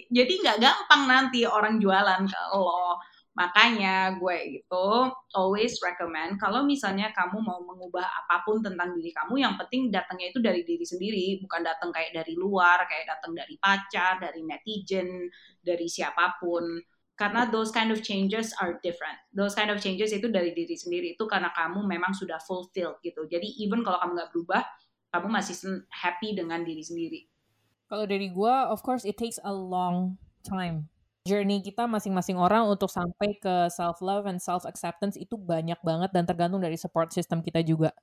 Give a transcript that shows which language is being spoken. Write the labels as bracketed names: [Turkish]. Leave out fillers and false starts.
[Indonesian] Jadi gak gampang nanti orang jualan ke lo. Makanya gue itu [English] always recommend [Indonesian] kalau misalnya kamu mau mengubah apapun tentang diri kamu, yang penting datangnya itu dari diri sendiri, bukan datang kayak dari luar, kayak datang dari pacar, dari netizen, dari siapapun. [English] Karena those kind of changes are different. Those kind of changes [Indonesian] itu dari diri sendiri, itu karena kamu memang sudah fulfilled gitu. Jadi even kalau kamu gak berubah, kamu masih happy dengan diri sendiri. Kalau dari gue, [English] of course it takes a long time. [Indonesian] Journey kita masing-masing orang untuk sampai ke [English] self-love and self-acceptance [Indonesian] itu banyak banget dan tergantung dari support system kita juga.